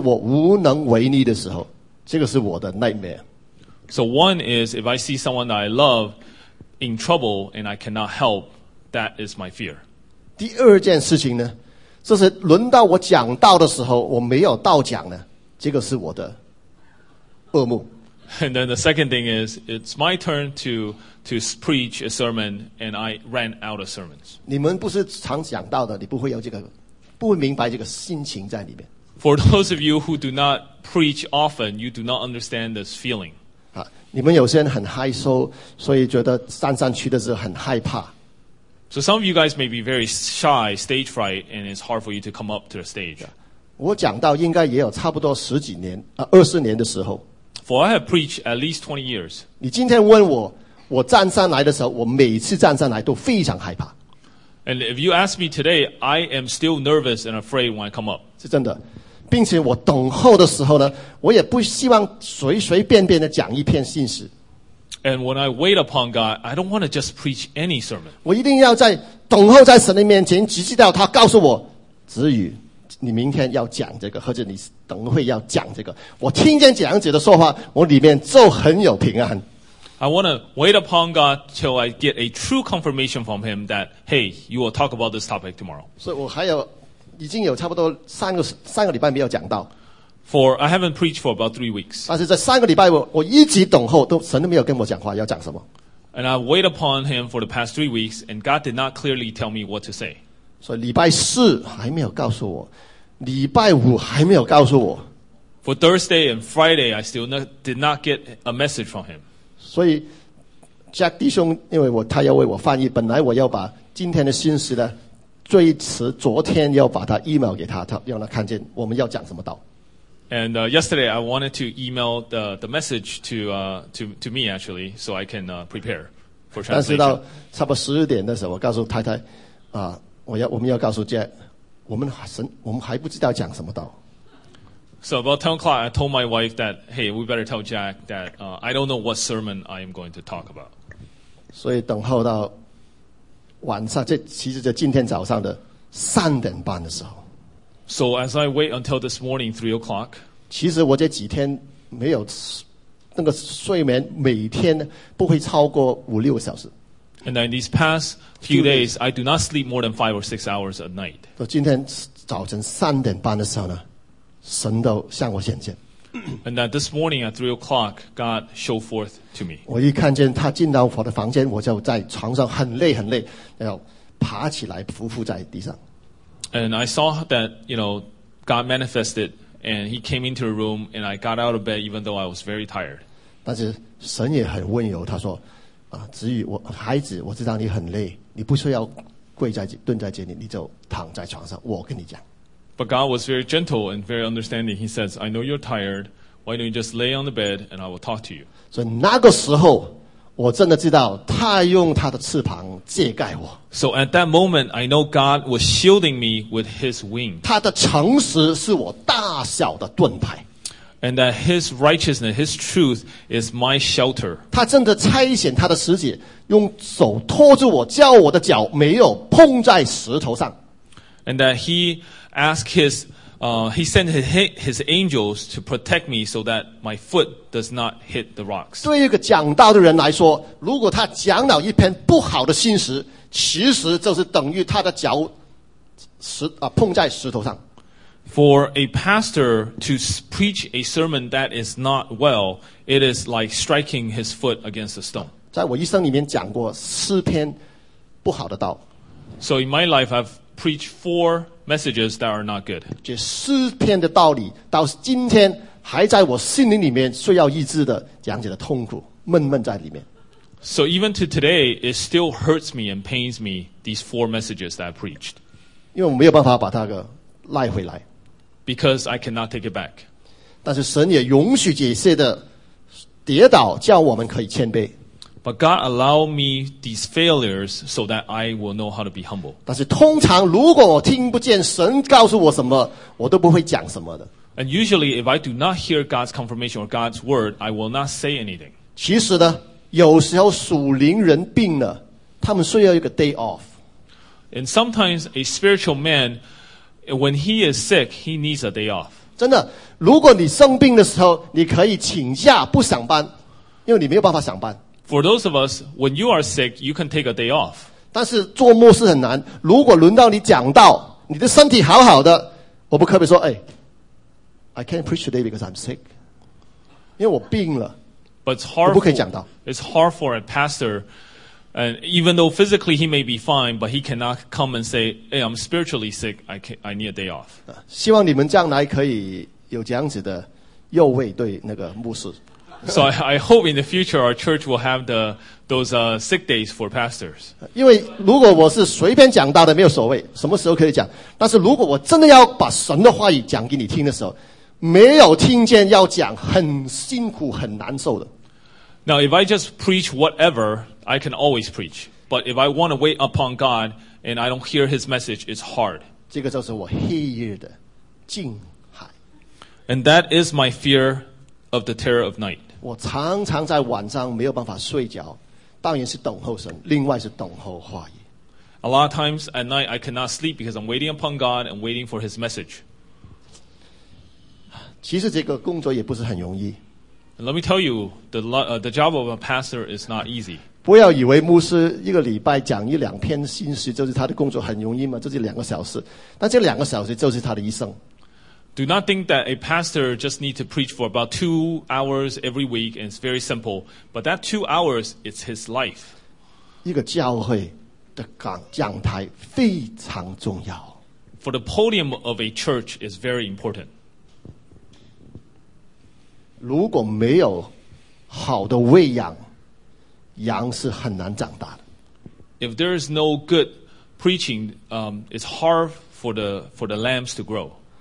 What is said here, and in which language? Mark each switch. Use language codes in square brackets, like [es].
[zh] 第一件事情就是，当我看见我所爱的人很需要帮助，但是我无能为力的时候，这个是我的 nightmare。 [en] So one is, if I see someone that I love in trouble and I cannot help, that is my fear. [zh] 第二件事情呢，就是轮到我讲道的时候，我没有道讲呢，这个是我的噩梦。 [en] And then the second thing is, it's my turn to preach a sermon and I ran out of sermons. [zh] 你们不是常讲道的，你不会有这个，不会明白这个心情在里面。 [en] For those of you who do not preach often, you do not understand this feeling. [zh] 啊，你们有些人很害羞，所以觉得站上去的时候很害怕。 [en] So some of you guys may be very shy, stage fright, and it's hard for you to come up to the stage. [zh] 我讲到应该也有差不多十几年，二十年的时候。 [en] For I have preached at least 20 years. [zh] 你今天问我，我站上来的时候，我每次站上来都非常害怕。 [en] And if you ask me today, I am still nervous and afraid when I come up. [zh] 是真的，并且我等候的时候呢，我也不希望随随便便的讲一篇信息。 [en] And when I wait upon God, I don't want to just preach any sermon. [zh] 我一定要在等候在神的面前，直至到他告诉我，子宇，你明天要讲这个，或者你等会要讲这个。我听见讲者的说话，我里面就很有平安。 [en] I want to wait upon God till I get a true confirmation from Him that, hey, you will talk about this topic tomorrow. [zh] 所以我还有已经有差不多三个礼拜没有讲到。 [en] For I haven't preached for about 3 weeks. [zh] 但是这三个礼拜我一直等候，都神都没有跟我讲话，要讲什么。 [en] And I wait upon Him for the past 3 weeks, and God did not clearly tell me what to say. [zh] 所以礼拜四还没有告诉我，礼拜五还没有告诉我。 [en] For Thursday and Friday, I still did not get a message from Him. [zh] 所以 Jack 弟兄，因为他要为我翻译，本来我要把今天的信息呢，最迟昨天要把他 email 给他，他让他看见我们要讲什么道。 [en] And yesterday I wanted to email the message to me actually so I can prepare for translation. [zh] 但是到差不多十点的时候，我告诉太太，我们要告诉 Jack， 我们还不知道讲什么道。 [en] So about 10 o'clock, I told my wife that hey, we better tell Jack that I don't know what sermon I am going to talk about. [zh] 所以等候到晚上，这其实就今天早上的三点半的时候。 [en] So as I wait until this morning, 3 o'clock. [zh] 其实我这几天没有那个睡眠，每天不会超过五六个小时。 [en] And in these past few days, I do not sleep more than 5 or 6 hours a night. [zh] 到今天早晨三点半的时候呢，神都向我显现。 [en] And that this morning at 3 o'clock, God showed forth to me. [zh] 我一看见他进到我的房间，我就在床上很累很累，要爬起来匍匐在地上。 [en] And I saw that, you know, God manifested, and He came into the room, and I got out of bed even though I was very tired. [zh] 但是神也很温柔，他说，啊，子宇，我孩子，我知道你很累，你不需要蹲在这里，你就躺在床上，我跟你讲。 [en] But God was very gentle and very understanding. He says, I know you're tired. Why don't you just lay on the bed and I will talk to you? [zh] 所以那个时候我真的知道他用他的翅膀遮盖我。 [en] So at that moment, I know God was shielding me with His wing. [zh] 他的诚实是我大小的盾牌。 [en] And that His righteousness, His truth is my shelter. [zh] 他真的差遣他的使者用手托住我，叫我的脚没有碰在石头上。 [en] And that He asked His, He sent His angels to protect me so that my foot does not hit the rocks. [zh] 对一个讲道的人来说，如果他讲了一篇不好的信息，其实就是等于他的脚碰在石头上。 [en] For a pastor to preach a sermon that is not well, it is like striking his foot against a stone. [zh] 在我一生里面讲过四篇不好的道。 [en] So in my life, I've preached 4 messages that are not good. [zh] 这四篇的道理到今天还在我心灵里面需要医治的讲解的痛苦闷闷在里面。 [en] So even to today, it still hurts me and pains me, these 4 messages that I preached. [zh] 因为我没有办法把它赖回来。 [en] Because I cannot take it back. [zh] 但是神也允许这些的跌倒，叫我们可以谦卑。 [en] But God allowed me these failures so that I will know how to be humble. [zh] 但是通常如果我听不见神告诉我什么，我都不会讲什么的。 [en] And usually if I do not hear God's confirmation or God's word, I will not say anything. [zh] 其实呢，有时候属灵人病了，他们需要一个 [en] day off. And sometimes a spiritual man, when he is sick, he needs a day off. [zh] 真的，如果你生病的时候，你可以请假不上班，因为你没有办法上班。 [en] For those of us, when you are sick, you can take a day off. [zh] 但是做牧师很难。如果轮到你讲道，你的身体好好的，我不可以说，哎， [en] I can't preach today because I'm sick. [zh] 因为我病了。 [en] But it's hard. [zh] 我不可以讲道。 [en] It's hard for a pastor And even though physically he may be fine, but he cannot come and say, hey, I'm spiritually sick, I need a day off. [zh] 希望你们将来可以有这样子的右卫对那个牧师。 [en] So I hope in the future our church will have those sick days for pastors. [zh] 因为如果我是随便讲到的没有所谓，什么时候可以讲，但是如果我真的要把神的话语讲给你听的时候，没有听见要讲很辛苦很难受的。 [en] Now, if I just preach whatever, I can always preach. But if I want to wait upon God and I don't hear his message, it's hard. [zh] 这个就是我黑夜的惊骇。 [en] And that is my fear of the terror of night. [zh] 我常常在晚上没有办法睡觉，当然是等候神，另外是等候话语。 [en] A lot of times at night, I cannot sleep because I'm waiting upon God and waiting for his message. [zh] 其实这个工作也不是很容易。 [en] Let me tell you, the job of a pastor is not easy. [zh] 不要以为牧师一个礼拜讲一两篇信息就是他的工作很容易吗？就是两个小时，但这两个小时就是他的一生。 [en] Do not think that a pastor just needs to preach for about 2 hours every week and it's very simple. But that 2 hours, it's his life. [zh] 一个教会的讲台非常重要。 [en] For the podium of a church is very important. [zh] 如果没有好的喂养，羊是很难长大的。 [en] If there is no good preaching, it's hard for the lambs to grow.